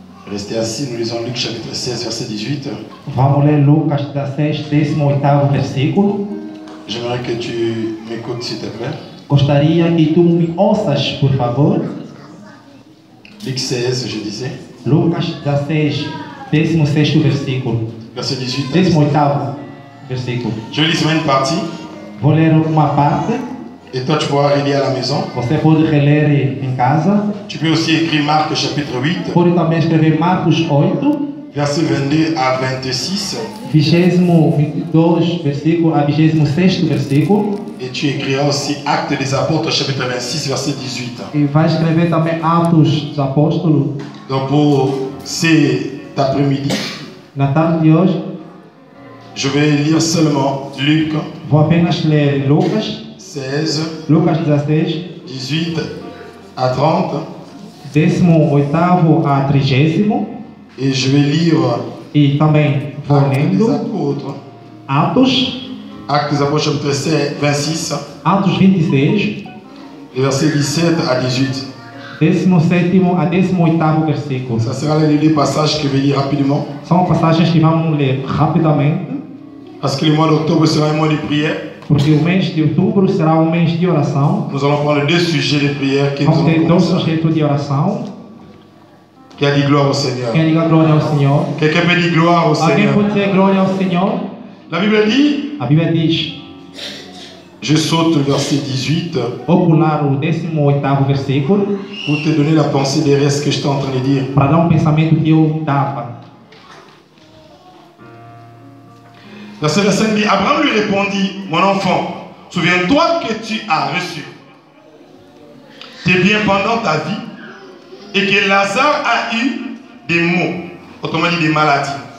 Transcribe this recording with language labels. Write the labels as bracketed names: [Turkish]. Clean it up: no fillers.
[French] Restez assis, nous lisons Luc chapitre 16, verset 18. [Portuguese] Vamos ler Lucas 16, 18 versículo. [French] J'aimerais que tu m'écoutes, s'il te plaît. [Portuguese] Gostaria que tu me ouças, por favor. [French] Luc 16, je disais. [Portuguese] Lucas 16, 16 versículo. [French] Verset 18. [Portuguese] 18 versículo. [French] Je lis une partie. [Portuguese] Vou ler uma parte. [French] Et toi, tu pourras relire à la maison. [Portuguese] Você pode reler em casa. [French] Tu peux aussi écrire Marc, chapitre 8. [Portuguese] Pode também escrever Marcos 8. [French] Verset 22 à 26. [Portuguese] 22 versículo a 26 versículo. [French] Et tu écriras aussi Actes des Apôtres, chapitre 26, verset 18. [Portuguese] Et vai escrever também Atos dos Apóstolos. [French] Donc pour cet après-midi. [Portuguese] Na tarde de hoje. [French] Je vais lire seulement Luc. [Portuguese] Vou apenas ler Lucas. [French] 16. [Portuguese] Lucas 16. [French] 18 à 30. [Portuguese] 18 à 30. [French] Et je vais lire. [Portuguese] Et também vou lendo. [French] Apôtres. [Portuguese] Atos. [French] Actes des Apôtres, chapitre 26. [Portuguese] Atos 26. [French] Et verset 17 à 18. [Portuguese] 17 à 18 versículo. [French] Ça sera les passages que je vais lire rapidement. [Portuguese] São passagens que vamos ler rapidamente. [French] Parce que le mois d'octobre sera un mois de prière. [Portuguese] Porque o mês de outubro será um mês de oração. [French] Nous allons parler deux sujets de prière que [Portuguese] vamos ter dois sujeitos de oração. Quem diga glória ao Senhor? Quem diga glória ao Senhor? Quem pede glória ao Senhor? Alguém pode dizer glória ao Senhor? [French] La Bible dit? [Portuguese] A Bíblia diz. [French] Je saute le verset 18. [Portuguese] Vou pular o 18º versículo. [French] Pour te donner la pensée derrière ce que je suis en train de dire. [Portuguese] Para dar pensamento que eu dava. [French] Verset 25 dit, Abraham lui répondit, mon enfant, souviens-toi que tu as reçu tes biens pendant ta vie et que Lazare a eu des maux, autrement dit des maladies.